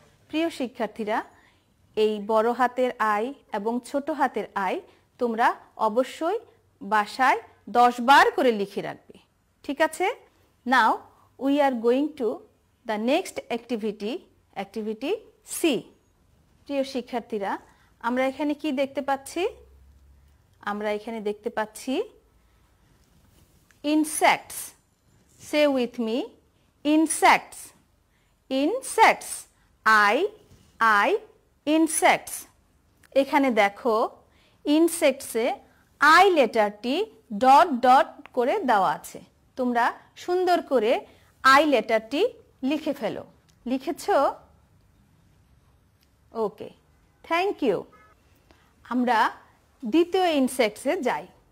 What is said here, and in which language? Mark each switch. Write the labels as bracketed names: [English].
[Bangla] প্রিয় শিক্ষার্থীরা, এই বড় হাতের I এবং ছোট হাতের I তোমরা অবশ্যই বাসায় 10 বার করে লিখে রাখবে, ঠিক আছে? [English] Now we are going to the next activity, activity C. [Bangla] প্রিয় শিক্ষার্থীরা, আমরা এখানে কি দেখতে পাচ্ছি? আমরা এখানে দেখতে পাচ্ছি insects. [English] Say with me, insects, insects, I, insects. [Bangla] এখানে দেখো, insects A I letter T dot dot করে দেওয়া আছে। তোমরা সুন্দর করে I letter টি লিখে ফেলো। লিখেছো? [English] Okay, thank you. [Bangla] আমরা দ্বিতীয় insects এ যাই।